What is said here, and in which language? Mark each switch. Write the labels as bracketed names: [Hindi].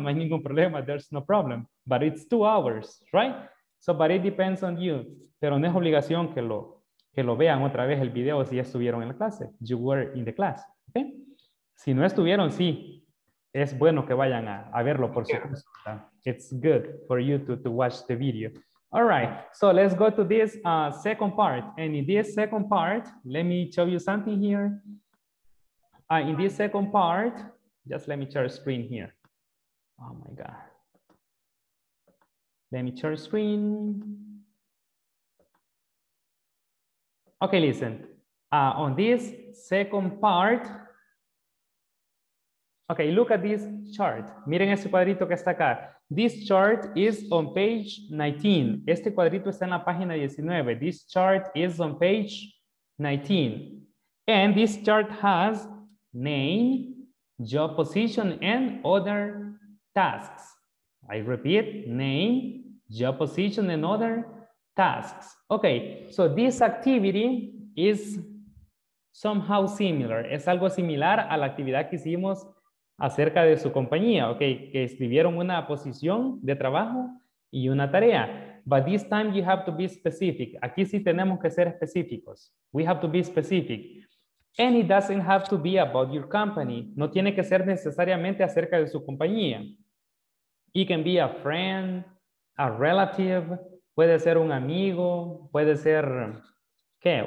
[Spanish] No hay ningún problema. [English] There's no problem. But it's 2 hours, right? So, but it depends on you. [Spanish] Pero no es obligación que lo vean otra vez el video si estuvieron en la clase. [English] You were in the class. Okay? [Spanish] Si no estuvieron, sí. Es bueno que vayan a verlo, por supuesto. [English] It's good for you to watch the video. All right, so let's go to this second part. And in this second part, let me show you something here. In this second part, just let me share screen here. Oh my God. Let me share screen. Okay, listen. On this second part, okay, look at this chart. [Spanish] Miren ese cuadrito que está acá. [English] This chart is on page 19. [Spanish] Este cuadrito está en la página 19. [English] This chart is on page 19. And this chart has name, job position, and other tasks. I repeat, name, job position, and other tasks. Okay, so this activity is somehow similar. [Spanish] Es algo similar a la actividad que hicimos acerca de su compañía, ok, que escribieron una posición de trabajo y una tarea. [English] But this time you have to be specific. [Spanish] Aquí sí tenemos que ser específicos. [English] We have to be specific. And it doesn't have to be about your company. [Spanish] No tiene que ser necesariamente acerca de su compañía. [English] It can be a friend, a relative, [Spanish] puede ser un amigo, puede ser, ¿qué?